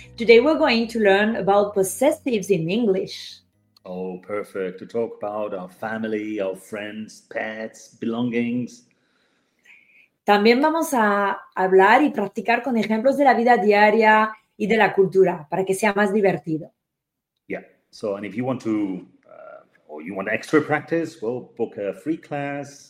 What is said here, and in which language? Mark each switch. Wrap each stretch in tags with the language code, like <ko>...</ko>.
<en>Today we're going to learn about possessives in English. Oh, perfect. To talk about our family, our friends, pets, belongings.</en> <es>También vamos a hablar y practicar con ejemplos de la vida diaria y de la cultura para que sea más divertido.</es> <en>Yeah, so and if you want to you want extra practice, well, book a free class.</en>